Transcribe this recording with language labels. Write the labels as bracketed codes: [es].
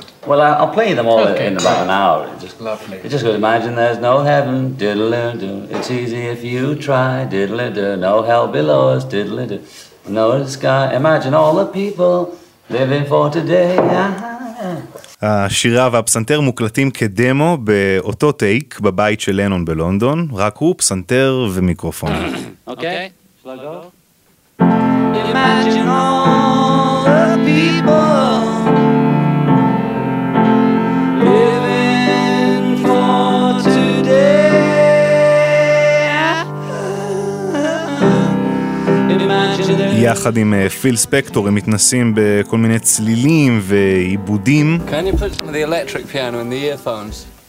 [en] Well, I'll play them all in about an hour. It just goes, imagine there's no heaven, diddle-do. It's easy if you try, diddle-do. No hell below us, diddle-do. No sky, imagine all the people living for today. [he] השירה והפסנתר מוקלטים כדמו באותו טייק בבית של לנון בלונדון, רק הוא, פסנתר ומיקרופון. אוקיי. יחד עם פיל ספקטור הם מתנסים בכל מיני צלילים ועיבודים. [en] Can you put the electric piano in the earphones?